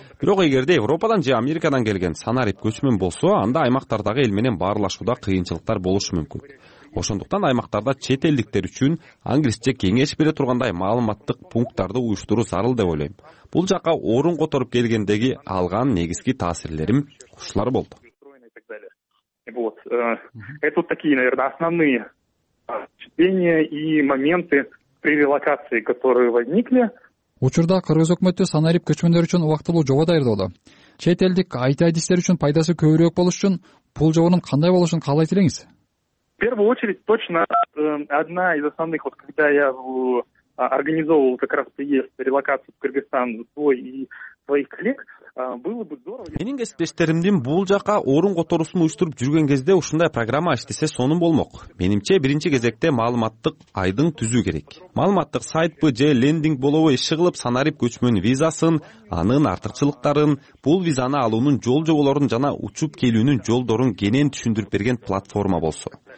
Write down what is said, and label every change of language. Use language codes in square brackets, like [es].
[ky] Бирок эгерде Европадан же Америкадан келген санарип көчмөн болсо, анда аймактардагы эл менен баарлашууда кыйынчылыктар болушу мүмкүн. Ошондуктан аймактарда чет элдиктер үчүн англисче кеңеш бере тургандай маалыматтык пункттарды уюштуруу зарыл деп ойлойм. Бул жакка орун которуп келгендеги алган негизги таасирлерим ушулар болду. [ru] Это вот такие, наверное, основные впечатления и моменты при релокации, которые возникли. [ky] Учурда кыргыз өкмөтү санарип көчмөндөр үчүн убактылуу жобо даярдоодо. Чет элдик айтайдистер үчүн пайдасы көбүрөөк болуш үчүн бул жобонун кандай болушун каалайт элеңиз? [ru] В первую очередь, точно одна из основных, вот когда я организовывал как раз приезд, релокацию в Кыргызстан, свой и своих коллег, было бы здорово. [ky] Менин кесиптештеримдин бул жака орун которуусун уюштуруп жүргөн кезде ушундай программа иштесе сонун болмок. Менимче, биринчи кезекте маалыматтык айдын түзүү керек. Маалыматтык сайтпы же лендинг болобу иши кылып санарип көчмөн визасын, анын артыкчылыктарын, бул визаны алуунун жол жоболорун жана учуп келүүнүн жолдорун кенен түшүндүрүп берген платформа болсо.